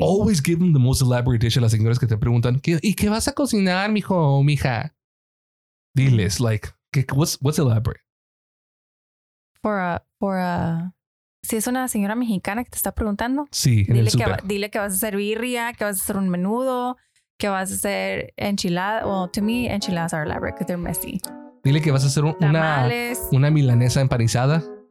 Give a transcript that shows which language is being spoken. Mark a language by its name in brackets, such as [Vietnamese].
[English] Always give them the most elaborate dish [Spanish] a las señoras que te preguntan, ¿y qué vas a cocinar, mijo o mija? Diles, [English] like, what's elaborate? For a... [Spanish] Si es una señora mexicana que te está preguntando, sí, dile que vas a hacer birria, que vas a hacer un menudo, que vas a hacer enchilada. [English] Well, to me, enchiladas are elaborate because they're messy. [Spanish] Dile que vas a hacer una milanesa empanizada.